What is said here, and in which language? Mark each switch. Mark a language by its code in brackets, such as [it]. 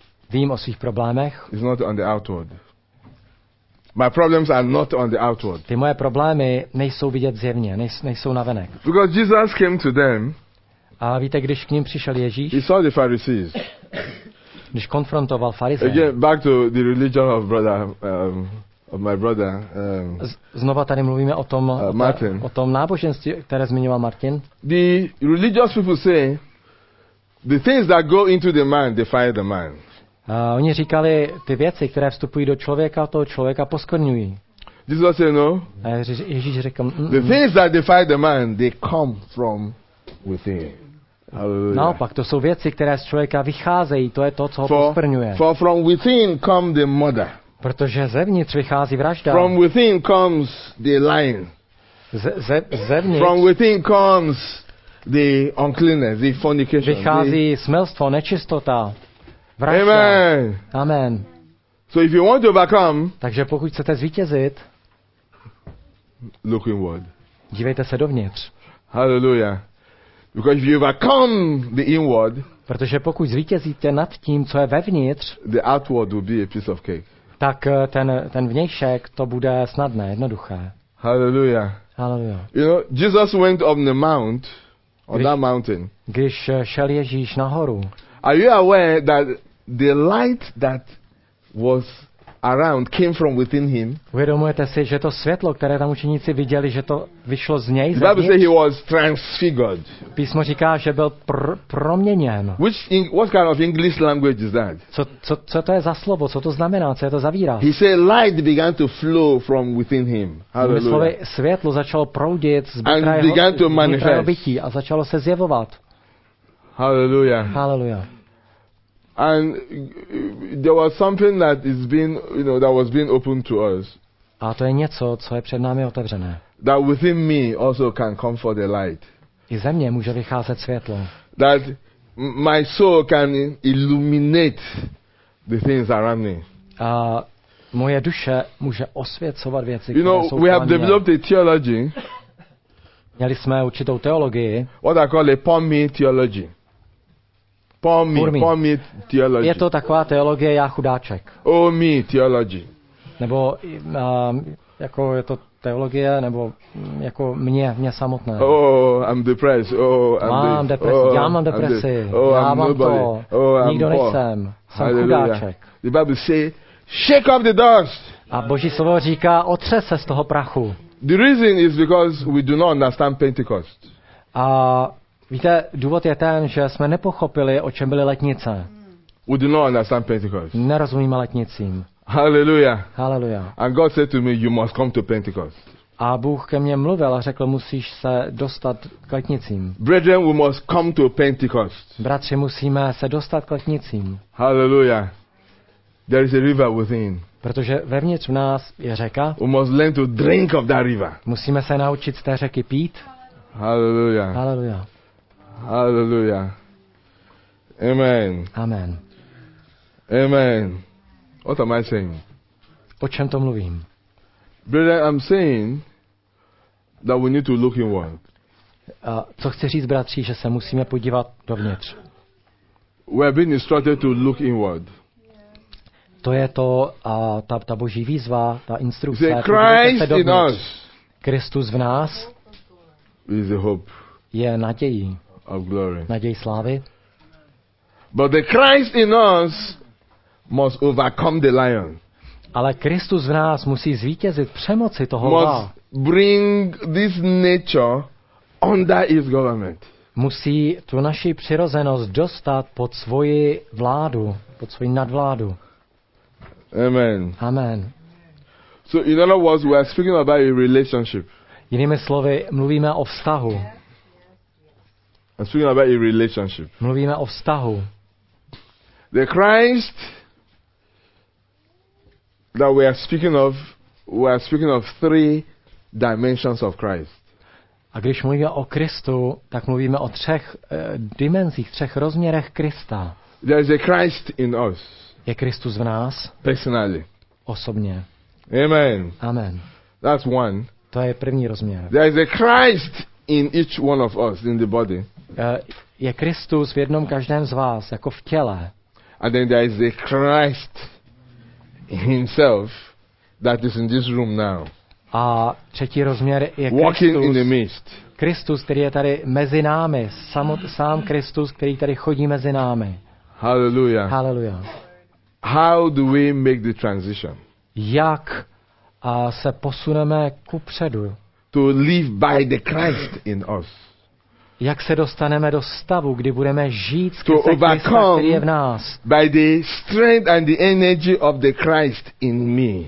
[cs] Vím o svých problémech. [en] Is not on the outward. My problems are not on the outward. [cs] Ty moje problémy nejsou vidět zjevně, nejsou navenek. [en] Because Jesus came to them. [cs] A víte, když k ním přišel Ježíš? [en] He saw the Pharisees. [cs] Když konfrontoval farizeje. [en] Again, back to the religion of brother, of my brother. [cs] Znova tady mluvíme o tom, o tom náboženství, které zmiňoval Martin. [en] The religious people say, the things that go into the man defile the man. [cs] Oni říkali, ty věci, které vstupují do člověka, toho člověka poskvrňují. [en] Jesus said no. [cs] Ježíš řekl. [en] The things that defile the man, they come from within. [cs] Naopak, to jsou věci, které z člověka vycházejí, to je to, co ho posprňuje. [en] For from within come the murder. [cs] Protože zevnitř vychází vražda. [en] From within comes the lying. [cs] Zevnitř. [en] From within comes the uncleanness, the fornication. [cs] Vychází smilstvo, nečistota, vražda. [en] Amen. [cs] Amen. [en] So if you want to overcome, [cs] takže pokud chcete zvítězit, [en] look inward. [cs] Dívejte se dovnitř. [en] Hallelujah. Because if you overcome the inward, [cs] protože pokud zvítězíte nad tím, co je vevnitř, [en] the outward will be a piece of cake. [cs] Tak ten vnějšek, to bude snadné, jednoduché. [en] Hallelujah. [cs] Hallelujah. [en] You know, Jesus went up the mount, on that mountain. [cs] Když šel Ježíš nahoru. [en] Are you aware that the light that was around came from within him? [cs] Uvědomujete si, že to světlo, které tam učeníci viděli, že to vyšlo z něj? [en] The Bible says he was transfigured. [cs] Písmo říká, že byl proměněn. [en] Which what kind of English language is that? [cs] Co to je za slovo? Co to znamená? Co je to za výraz? [en] He said light began to flow from within him. Hallelujah. [cs] Světlo začalo proudit z vnitra jeho. [en] And began to manifest. [cs] A začalo se zjevovat. [en] Hallelujah. [cs] Hallelujah. [en] And there was something that is being, you know, that was being opened to us. [cs] A to je něco, co je před námi otevřené. [en] That within me also can come for the light. [cs] I ze mě může vycházet světlo. [en] That my soul can illuminate the things around me. [cs] A moje duše může osvěcovat věci, [en] you know, [cs] které jsou [en] we have developed a theology. [cs] Měli jsme určitou teologii. [en] What I call a palm me theology. Poor me theology. [cs] Je to taková teologie já chudáček. [en] Oh me theology. [cs] Nebo jako je to teologie nebo jako mě samotné. [en] Oh I'm depressed. Oh I'm [cs] mám depresi. Oh, já mám depresi. Oh, já [en] I'm [cs] mám [en] nobody. [cs] To. [en] Oh, I'm [cs] nikdo [en] poor. [cs] Nejsem. Jsem Hallelujah. Chudáček. [en] The Bible say, shake off the dust. [cs] A Boží slovo říká, otřes se z toho prachu. [en] The reason is because we do not understand Pentecost. [cs] A víte, důvod je ten, že jsme nepochopili, o čem byly letnice. [en] We do not understand Pentecost. [cs] Nerozumíme letnicím. [en] Hallelujah. [cs] Hallelujah. [en] And God said to me, you must come to Pentecost. [cs] A Bůh ke mně mluvil a řekl, musíš se dostat k letnicím. [en] Brethren, we must come to Pentecost. [cs] Bratři, musíme se dostat k letnicím. [en] Hallelujah. There is a river within. [cs] Protože vevnitř v nás je řeka. [en] We must learn to drink of that river. [cs] Musíme se naučit z té řeky pít. [en] Hallelujah. [cs] Hallelujah. [en] Hallelujah. Amen. [cs] Amen. [en] Amen. What am I saying? [cs] O čem to mluvím? [en] Brother, I'm saying that we need to look inward. [cs] Co chci říct, bratři, že se musíme podívat dovnitř. [en] We have been instructed to look inward. [cs] To je to, ta Boží výzva, ta instrukce. [en] Christ in us. [cs] Kristus v nás. [en] Is the hope. [cs] Je naději. [en] Of glory. [cs] Naděj slávy. [en] But the Christ in us must overcome the lion. [cs] Ale Kristus v nás musí zvítězit, přemoci toho lva. [en] Must bring this nature under his government. [cs] Musí tu naši přirozenost dostat pod svoji vládu, pod svoji nadvládu. [en] Amen. [cs] Amen. [en] So in other words, we are speaking about a relationship. [cs] Jinými slovy, mluvíme o vztahu. [en] I'm speaking about a relationship. [cs] Mluvíme o vztahu. [en] The Christ that we are speaking of three dimensions of Christ. [cs] A když mluvíme o Kristu, tak mluvíme o třech dimenzích, třech rozměrech Krista. [en] There is a Christ in us. [cs] Je Kristus v nás. [en] Personally. [cs] Osobně. [en] Amen. [cs] Amen. [en] That's one. [cs] To je první rozměr. [en] There is a Christ in each one of us in the body. [cs] Je Kristus v jednom každém z vás jako v těle. [en] And then there is the Christ himself that is in this room now. [cs] A třetí rozměr je [en] walking [cs] Kristus [en] in the midst. [cs] Kristus, který je tady mezi námi, sám Kristus, který tady chodí mezi námi. [en] Hallelujah. [cs] Hallelujah. [en] How do we make the transition? [cs] Jak se posuneme kupředu? [en] To live by the Christ in us. [cs] Jak se dostaneme do stavu, kdy budeme žít skrze Krista, který je v nás. [en] By the strength and the energy of the Christ in me.